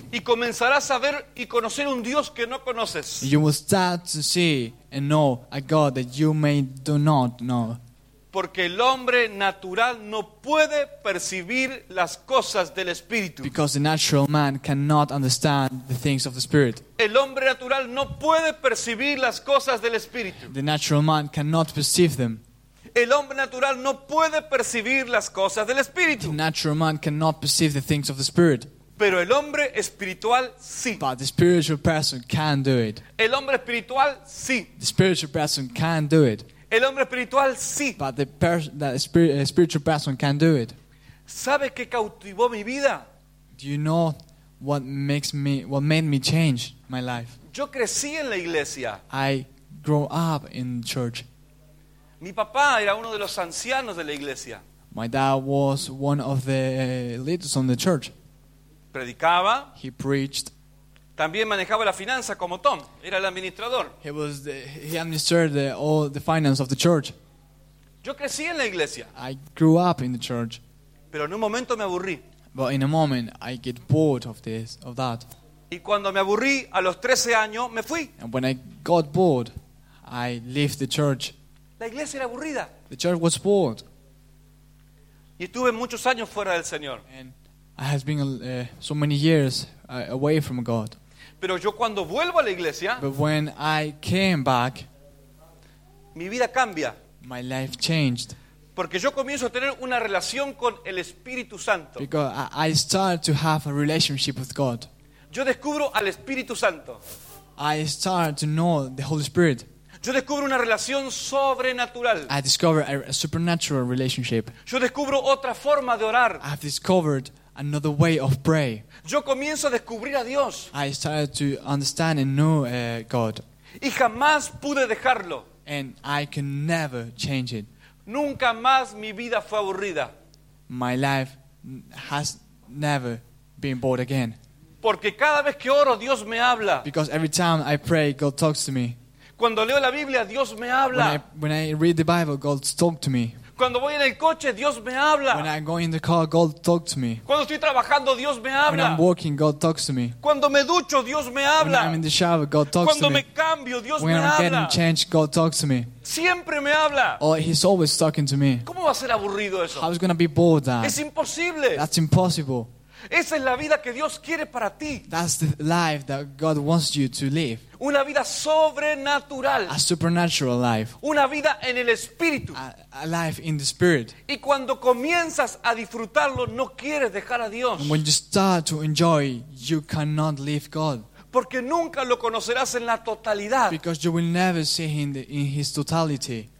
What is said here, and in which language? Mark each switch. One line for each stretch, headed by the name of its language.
Spanish: Y comenzarás a ver y conocer un Dios que no conoces.
English: You will start to see and know a God that you may do not know.
Spanish: Porque el hombre natural no puede percibir las cosas del Espíritu.
English: Because the natural man cannot understand the things of the Spirit.
Spanish: El hombre natural no puede percibir las cosas del Espíritu.
English: The natural man cannot perceive them.
Spanish: El hombre natural no puede percibir las cosas del Espíritu.
English: The natural man cannot perceive the things of the Spirit.
Spanish: Pero el hombre espiritual sí.
English: But the spiritual person can do it.
Spanish: El hombre espiritual sí.
English: The spiritual person can do it.
Spanish: El hombre espiritual sí.
English: But the spiritual person can do it.
Spanish: ¿Sabe qué cautivó mi vida?
English: Do you know what made me change my life?
Spanish: Yo crecí en la iglesia.
English: I grew up in church.
Spanish: Mi papá era uno de los ancianos de la iglesia.
English: My dad was one of the leaders on the church.
Spanish: Predicaba.
English: He preached.
Spanish: También manejaba la finanza como Tom. Era el administrador.
English: He administered all the finance of the church.
Spanish: Yo crecí en la iglesia.
English: I grew up in the church.
Spanish: Pero en un momento me aburrí.
English: But in a moment I get bored of this, of that.
Spanish: Y cuando me aburrí a los 13 años me fui.
English: And when I got bored, I left the church.
Spanish: La iglesia era aburrida.
English: The church was bored.
Spanish: Y estuve muchos años fuera del Señor.
English: And I have been so many years away from God.
Spanish: Pero yo cuando vuelvo a la iglesia,
English: but when I came back,
Spanish: mi vida cambia.
English: My life changed.
Spanish: Porque yo comienzo a tener una relación con el Espíritu Santo.
English: Because I start to have a relationship with God.
Spanish: Yo descubro al Espíritu Santo.
English: I start to know the Holy Spirit.
Spanish: Yo descubro una relación sobrenatural.
English: I discover a supernatural relationship.
Spanish: Yo descubro otra forma de orar.
English: I have discovered another way of pray.
Spanish: Yo comienzo a descubrir a Dios.
English: I started to understand and know God.
Spanish: Y jamás pude dejarlo.
English: And I can never change it.
Spanish: Nunca más mi vida fue aburrida.
English: My life has never been bored again.
Spanish: Porque cada vez que oro, Dios me habla.
English: Because every time I pray, God talks to me.
Spanish: Cuando leo la Biblia, Dios me habla.
English: When I read the Bible, God talks to me.
Spanish: Cuando voy en el coche, Dios me habla.
English: When I'm going in the car, God talks to me.
Spanish: Cuando estoy trabajando, Dios me habla.
English: When I'm working, God talks to me.
Spanish: Cuando me ducho, Dios me habla.
English: When I'm in the shower, God talks
Spanish: cuando
English: to me.
Spanish: Cuando me cambio, Dios
English: when
Spanish: me
English: I'm
Spanish: habla.
English: When I'm getting changed, God talks to me.
Spanish: Siempre me habla.
English: Oh, he's always talking to me.
Spanish: ¿Cómo va a ser aburrido eso?
English: How is it going to be bored that?
Spanish: Es imposible.
English: That's impossible.
Spanish: Esa es la vida que Dios quiere para ti.
English: That's the life that God wants you to live.
Spanish: Una vida sobrenatural.
English: A supernatural life.
Spanish: Una vida en el Espíritu.
English: A life in the Spirit.
Spanish: Y cuando comienzas a disfrutarlo, no quieres dejar a Dios.
English: When you start to enjoy, you cannot leave God.
Spanish: Porque nunca lo conocerás en la totalidad.
English: Because you will never see him in his totality.